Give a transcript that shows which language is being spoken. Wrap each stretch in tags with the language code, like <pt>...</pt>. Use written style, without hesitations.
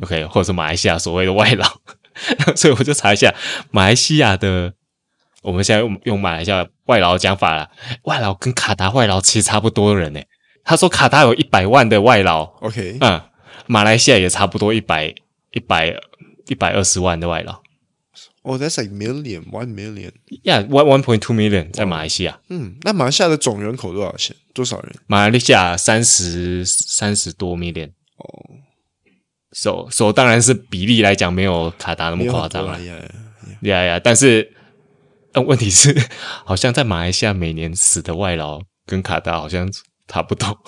<zh>，OK， 或者是马来西亚所谓的外劳，所以我就查一下马来西亚的。我们现在用马来西亚外劳讲法啦，外劳跟卡达外劳其实差不多人欸。他说卡达有100万的外劳，OK，嗯，马来西亚也差不多120万的外劳。</zh> <en>Oh, that's like million. Yeah, one point two million</en> <zh>在马来西亚。嗯，那马来西亚的总人口多少钱？多少人？马来西亚30多 million。哦， so 当然是比例来讲没有卡达那么夸张了。 Yeah, 但是。问题是好像在马来西亚每年死的外劳跟卡达好像差不多。</zh>